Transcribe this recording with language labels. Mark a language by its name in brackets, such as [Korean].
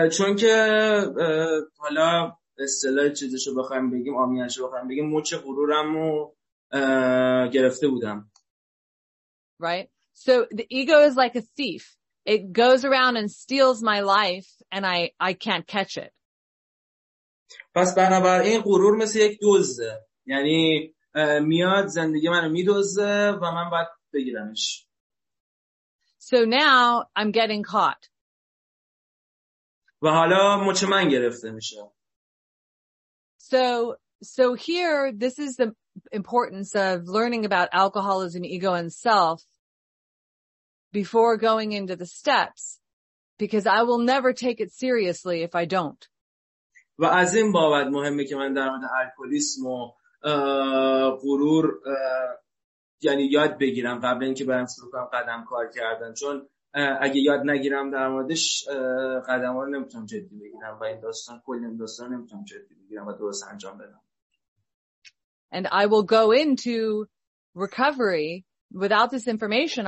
[Persian] چون که حالا اصطلاح چیزشو بخوایم بگیم، عامیانشو بخوایم بگیم، مچ غرورمو گرفته بودم. [English] Right? So the ego is like a thief. It goes around and steals my life and I can't catch it. [Persian] پس بنابراین غرور مثل یک دزده. یعنی میاد زندگی منو میدزده و من باید بگیرمش. [English] So now I'm getting caught. [Persian] و حالا مچ من گرفته میشه. [English] So here, this is the importance of learning about alcoholism, ego, and self before going into the steps, because I will never take it seriously if I don't. [Persian] و از این بابت مهمه که من در مورد الکلیسم و غرور یعنی یاد بگیرم قبل اینکه برم شروع کنم قدم کار کردن، چون اگه یاد نگیرم در موردش قدم ها رو نمیتونم جدی بگیرم و این داستان کلی این داستان نمیتونم جدی بگیرم و درست انجام بدم. [English] And I will go into recovery without this information.